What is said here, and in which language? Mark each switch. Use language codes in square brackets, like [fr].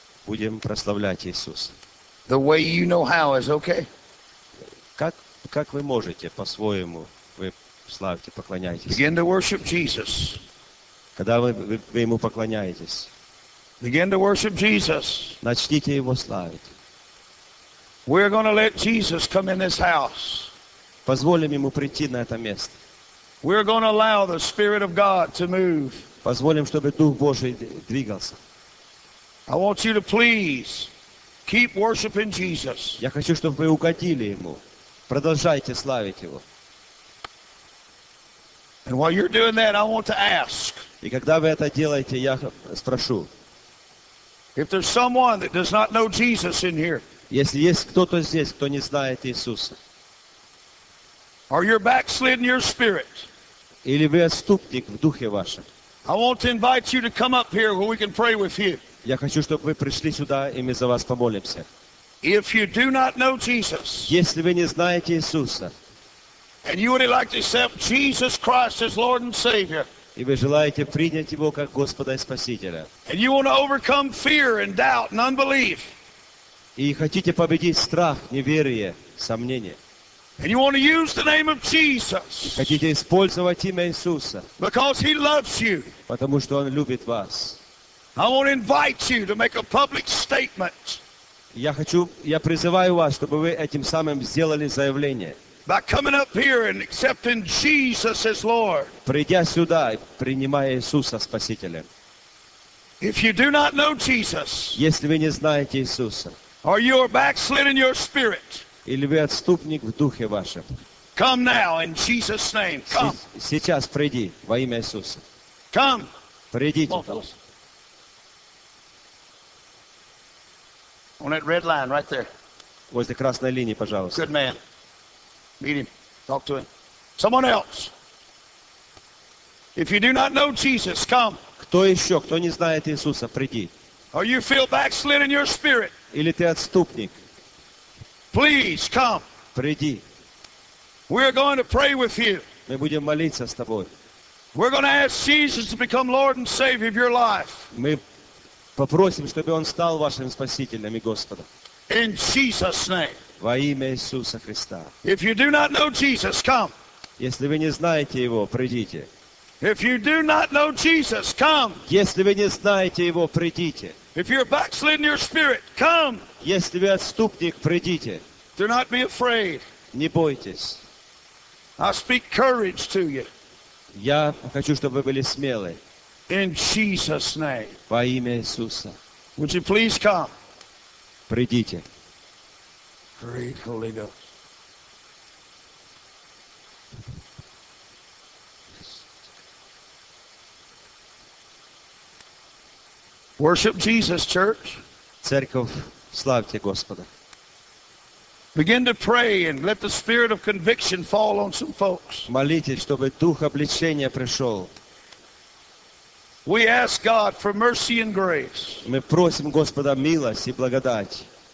[ru] Будем прославлять Иисуса. [en] The way you know how is okay. [ru] Как вы можете по-своему, вы славьте, поклоняйтесь. [en] Begin to worship Jesus. [ru] Когда вы ему поклоняетесь. [en] Begin to worship Jesus. [ru] Начните его славить. [en] We're going to let Jesus come in this house. [ru] Позволим ему прийти на это место. [en] We're going to allow the Spirit of God to move. [ru] Позволим, чтобы Дух Божий двигался. [en] I want you to please keep worshiping Jesus. [ru] Я хочу, чтобы вы угодили ему. Продолжайте славить его. [en] And while you're doing that, I want to ask. [ru] И когда вы это делаете, я спрошу. [en] If there's someone that does not know Jesus in here. [ru] Если есть кто-то здесь, кто не знает Иисуса. [en] Are you backslidden in your spirit? [ru] Или вы отступник в духе вашем. [en] I want to invite you to come up here where we can pray with you. [ru] Я хочу, чтобы вы пришли сюда, и мы за вас помолимся. [en] If you do not know Jesus. [ru] Если вы не знаете Иисуса. [en] And you would like to accept Jesus Christ as Lord and Savior. [ru] И вы желаете принять его как Господа и Спасителя. [en] And you want to overcome fear and doubt and unbelief. [ru] И хотите победить страх, неверие, сомнение. И хотите использовать имя Иисуса. [en] Because he loves you. [ru] Потому что Он любит вас. [en] I want to invite you to make a public statement. [ru] Я призываю вас, чтобы вы этим самым сделали заявление. [en] By coming up here and accepting Jesus as Lord. [ru] Придя сюда, принимая Иисуса Спасителем. [en] If you do not know Jesus. [ru] Если вы не знаете Иисуса. [en] Are you backslidden in your spirit? [ru] Или вы отступник в духе вашем? [en] Come now in Jesus' name. Come. [ru] Сейчас приди во имя Иисуса. [en] Come. [ru] Придите. [en] On that red line right there. [ru] Возле красной линии, пожалуйста. [en] Good man. Meet him. Talk to him. Someone else. If you do not know Jesus, come. [ru] Кто еще, кто не знает Иисуса, приди. [en] Are you feel backslidden in your spirit? [ru] Или ты отступник? [en] Please come. [ru] Приди. [en] We're going to pray with you. [ru] Мы будем молиться с тобой. [en] We're going to ask Jesus to become Lord and Savior of your life. [ru] Мы попросим, чтобы он стал вашим спасителем и Господом. [en] In Jesus' name. [ru] Во имя Иисуса Христа. [en] If you do not know Jesus, come. [ru] Если вы не знаете его, придите. [en] If you do not know Jesus, come. [ru] Если вы не знаете его, придите. [en] If you're backslidden in your spirit, come. [ru] Если вы отступник, придите. [en] Do not be afraid. [ru] Не бойтесь. [en] I speak courage to you. [ru] Я хочу, чтобы вы были смелы. [en] In Jesus' name. [ru] Во имя Иисуса. [en] Would you please come? [ru] Придите. [en] Great Holy Ghost. Worship Jesus, church. [ru] Церковь, славьте Господа. [en] Begin to pray and let the spirit of conviction fall on some folks. [ru] Молитесь, чтобы дух обличения пришел. [en] We ask God for mercy and grace. [ru] Мы просим Господа милость и благодать.